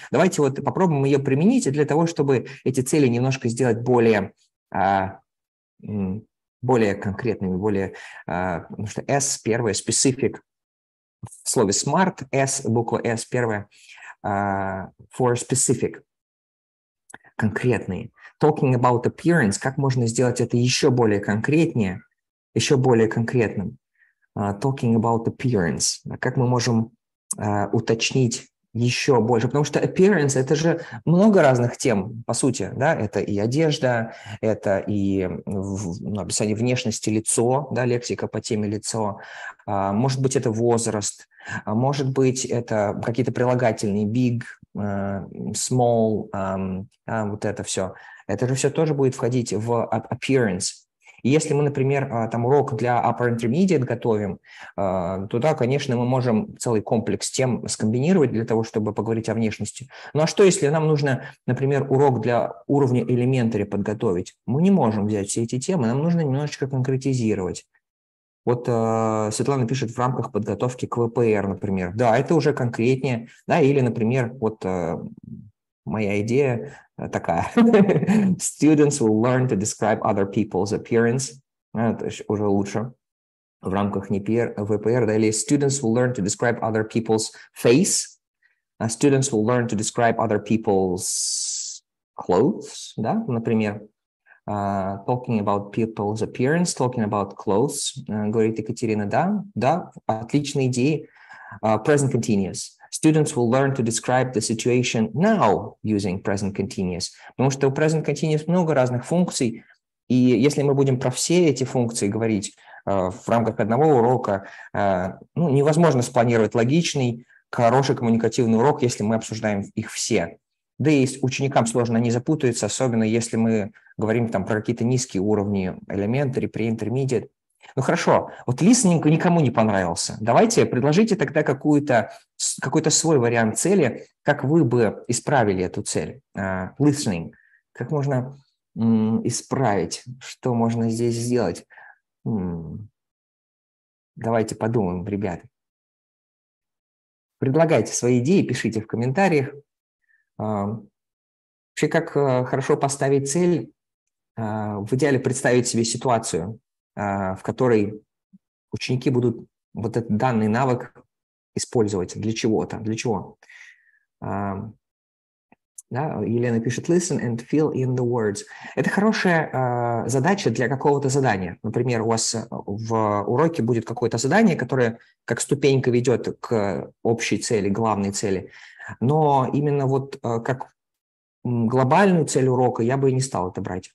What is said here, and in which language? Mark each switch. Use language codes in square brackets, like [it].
[ru] Давайте вот попробуем ее применить для того, чтобы эти цели немножко сделать более, более конкретными, более, потому что S первое, specific, в слове SMART, S, буква S первая, [en] for specific, [ru] конкретные. [en] Talking about appearance, [ru] как можно сделать это еще более конкретнее, еще более конкретным. [en] Talking about appearance. [ru] Как мы можем уточнить еще больше? Потому что appearance – это же много разных тем, по сути. Да? Это и одежда, это и описание внешности, лицо, да, лексика по теме лицо. Может быть, это возраст. Может быть, это какие-то прилагательные – [en] big, small, [ru] вот это все. Это же все тоже будет входить в appearance. Если мы, например, там урок для upper intermediate готовим, то да, конечно, мы можем целый комплекс тем скомбинировать для того, чтобы поговорить о внешности. Ну а что, если нам нужно, например, урок для уровня elementary подготовить? Мы не можем взять все эти темы, нам нужно немножечко конкретизировать. Вот Светлана пишет в рамках подготовки к ВПР, например. Да, это уже конкретнее. Да, или, например, вот моя идея такая. [en] Students will learn to describe other people's appearance. [ru] Это уже лучше. В рамках ВПР, да, или [en] students will learn to describe other people's face. Students will learn to describe other people's clothes, [ru] да, например. [en] Talking about people's appearance, talking about clothes, [ru] говорит Екатерина, да, да, отличная идея. [en] Present continuous. Students will learn to describe the situation now using present continuous. [ru] Потому что у present continuous много разных функций, и если мы будем про все эти функции говорить в рамках одного урока, ну, невозможно спланировать логичный, хороший коммуникативный урок, если мы обсуждаем их все. Да и ученикам сложно, они запутаются, особенно если мы говорим там про какие-то низкие уровни elementary, pre-intermediate. Ну хорошо, вот listening никому не понравился. Давайте предложите тогда какой-то свой вариант цели, как вы бы исправили эту цель. Listening. Как можно исправить? Что можно здесь сделать? Давайте подумаем, ребята. Предлагайте свои идеи, пишите в комментариях. Вообще, как хорошо поставить цель, в идеале представить себе ситуацию, в которой ученики будут вот этот данный навык использовать для чего-то, для чего. Да, Елена пишет, [en] listen and fill in the words. [ru] Это хорошая задача для какого-то задания. Например, у вас в уроке будет какое-то задание, которое как ступенька ведет к общей цели, главной цели. Но именно вот как глобальную цель урока я бы и не стал это брать.